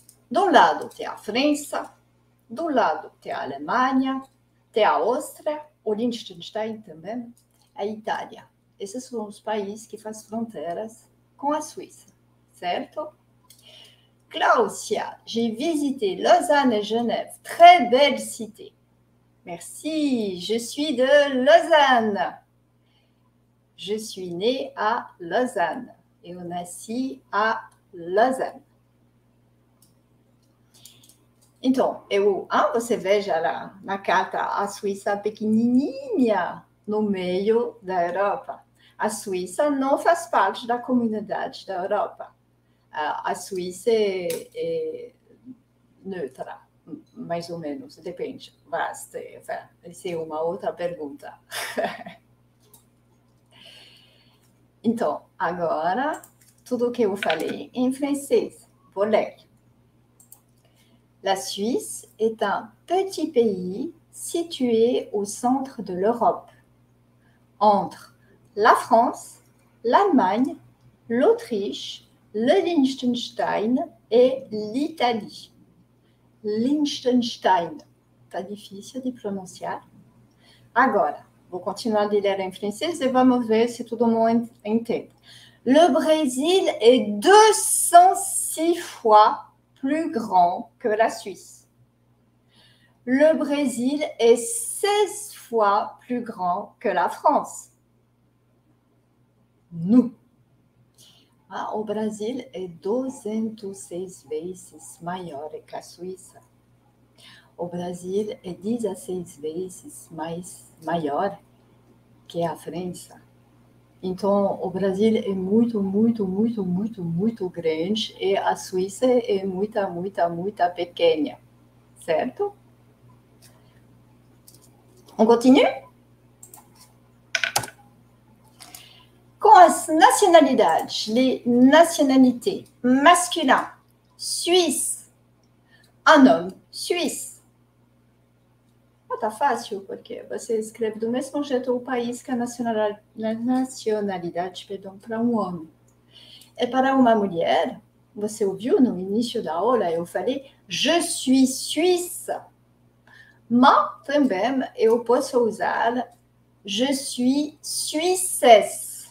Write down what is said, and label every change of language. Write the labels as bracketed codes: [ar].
[pt] Do lado tem a França, do lado tem a Alemanha, tem a Áustria, o Liechtenstein também, a Itália. Esses são os países que fazem fronteiras com a Suíça, certo? [fr] Claudia, j'ai visité Lausanne et Genève. Très belle cité. Merci, je suis de Lausanne. Je suis née à Lausanne et on est assis à Lausanne. [pt] Então, eu, hein, você veja lá na carta a Suíça pequenininha no meio da Europa. A Suíça não faz parte da comunidade da Europa. A Suíça é neutra. Mais ou menos, depende. Basta, essa é uma outra pergunta. Então, agora, tudo o que eu falei em francês, vou ler. [fr] La Suisse est un petit pays situé au centre de l'Europe, entre la France, l'Allemagne, l'Autriche, le Liechtenstein et l'Italie. Liechtenstein, [pt] tá difícil de pronunciar? Agora, vou continuar de ler em francês e vamos ver se todo mundo entende. [fr] Le Brésil est 206 fois plus grand que la Suisse. Le Brésil est 16 fois plus grand que la France. Nous. [pt] Ah, o Brasil é 206 vezes maior que a Suíça. O Brasil é 16 vezes mais maior que a França. Então, o Brasil é muito, muito, muito, muito, muito grande e a Suíça é muita, muita, muita pequena. Certo? [fr] On continue? Nationalidade, les nationalités, masculin, suisse, un homme, suisse. [pt] Ah, tá fácil, porque você escreve do mesmo jeito o país que a nacionalidade, perdão, para um homem. E para uma mulher, você ouviu no início da aula, eu falei, [fr] je suis suisse. [pt] Mas, também, eu posso usar, [fr] je suis suissesse.